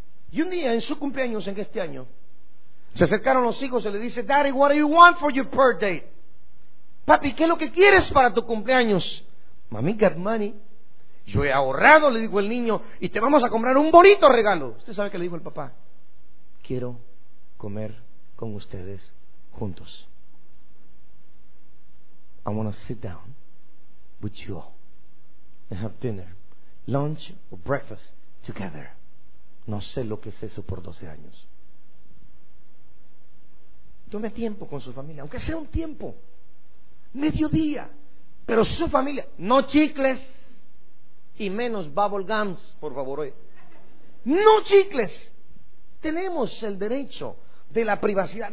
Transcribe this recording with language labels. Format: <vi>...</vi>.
<es>Y un día, en su cumpleaños, en este año, se acercaron los hijos y le dice:</es> <en>Daddy, what do you want for your birthday?</en> <es>Papi, ¿qué es lo que quieres para tu cumpleaños? Mami,</es> <en>got money.</en> <es>Yo he ahorrado, le dijo el niño, y te vamos a comprar un bonito regalo. ¿Usted sabe qué le dijo el papá? Quiero comer con ustedes juntos.</es> <en>I want to sit down with you all and have dinner, lunch or breakfast together.</en> <es>No sé lo que es eso por 12 años. Tome tiempo con su familia, aunque sea un tiempo. Mediodía, pero su familia, no chicles y menos bubble gums, por favor. No chicles. Tenemos el derecho de la privacidad.</es>